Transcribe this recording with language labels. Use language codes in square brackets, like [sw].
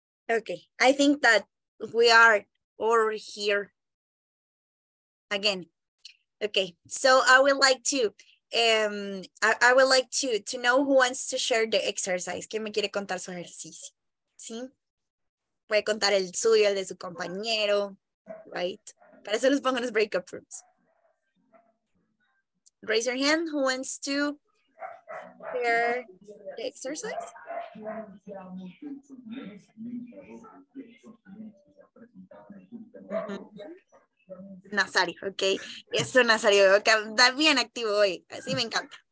[en] Okay, I think that we are all here again. Okay, so I would like to I would like to know who wants to share the exercise. [es] ¿Quién me quiere contar su ejercicio? ¿Sí? Puede contar el suyo, el de su compañero, right? Para eso les pongo los breakout rooms. [en] Raise your hand, who wants to share the exercise? Mm-hmm. Nazario, okay. [es] Eso, Nazario, okay. Está bien activo hoy. Así me encanta.